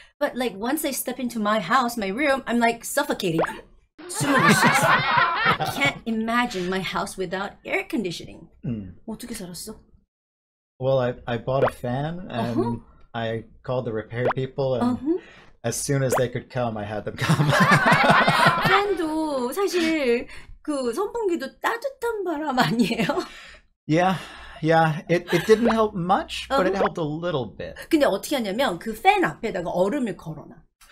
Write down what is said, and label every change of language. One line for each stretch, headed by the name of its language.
English: But, like, once I step into my house, my room, I'm, like, suffocating. I can't imagine my house without air conditioning.
Korean: 어떻게 살았어?
English: Well, I bought a fan, and I called the repair people, and as soon as they could come, I had them come.
Korean: 팬도 사실 그 선풍기도 따뜻한 바람 아니에요?
English: Yeah, yeah. It didn't help much, but it helped a little bit.
Korean: 근데 어떻게 하냐면 그 팬 앞에다가 얼음을 걸어놔.